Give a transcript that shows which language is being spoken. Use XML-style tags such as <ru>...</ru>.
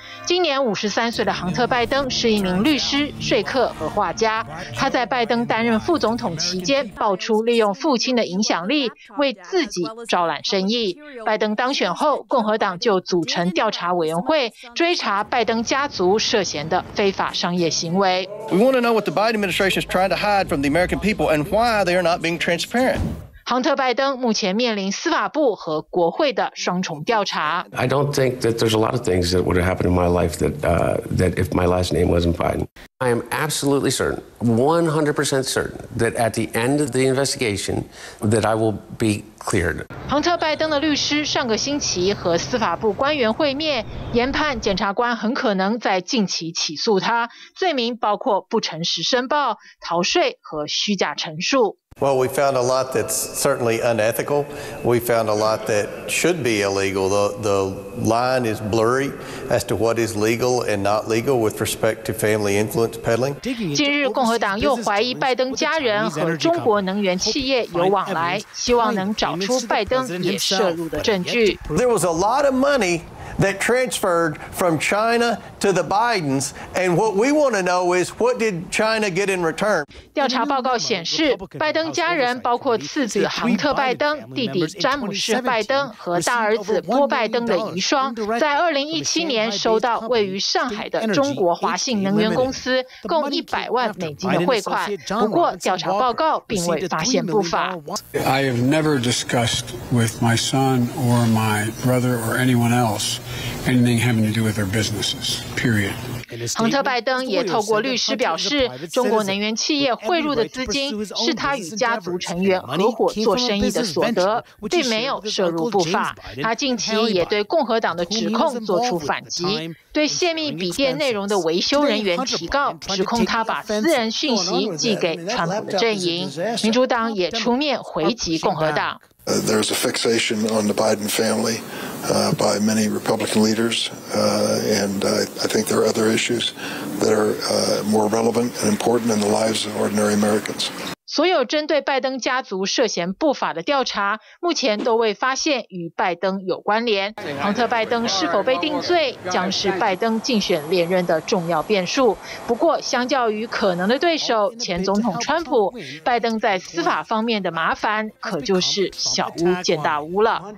<zh>今年53岁的杭特·拜登是一名律师、说客和画家。他在拜登担任副总统期间，爆出利用父亲的影响力为自己招揽生意。拜登当选后，共和党就组成调查委员会，追查拜登家族涉嫌的非法商业行为。</zh> <en>We want to know what the Biden administration is trying to hide from the American people and why they are not being transparent.</en> <zh>杭特·拜登目前面临司法部和国会的双重调查。</zh> <en>I don't think that there's a lot of things that would have happened in my life that if my last name wasn't Biden. I am absolutely certain, 100% certain, that at the end of the investigation, that I will be cleared.</en> <zh>杭特·拜登的律师上个星期和司法部官员会面，研判检察官很可能在近期起诉他，罪名包括不诚实申报、逃税和虚假陈述。</zh> <en>Well, we found a lot that's certainly unethical. We found a lot that should be illegal. The line is blurry as to what is legal and not legal with respect to family influence peddling.</en> <zh>近日，共和党又怀疑拜登家人和中国能源企业有往来，希望能找出拜登也涉入的证据。</zh> <en>There was a lot of money that transferred from China to the Bidens, and what we want to know is what did China get in return?</en> <zh>调查报告显示，拜登家人包括次子杭特·拜登、弟弟詹姆士·拜登和大儿子波·拜登的遗孀，在2017年收到位于上海的中国华信能源公司共100万美金的汇款。不过，调查报告并未发现不法。</zh> <en>I have never discussed with my son or my brother or anyone else. Anything having to do with their businesses, period.</en> <zh>亨特·拜登也透过律师表示，中国能源企业汇入的资金是他与家族成员合伙做生意的所得，并没有涉入不法。他近期也对共和党的指控作出反击，对泄密笔电内容的维修人员提告，指控他把私人讯息寄给川普的阵营。民主党也出面回击共和党。</zh> <en>There's a fixation on the Biden family, by many Republican leaders, and I think there are other issues that are, more relevant and important in the lives of ordinary Americans.</en> <zh>所有针对拜登家族涉嫌不法的调查，目前都未发现与拜登有关联。亨特·拜登是否被定罪，将是拜登竞选连任的重要变数。不过，相较于可能的对手前总统川普，拜登在司法方面的麻烦可就是小巫见大巫了。</zh>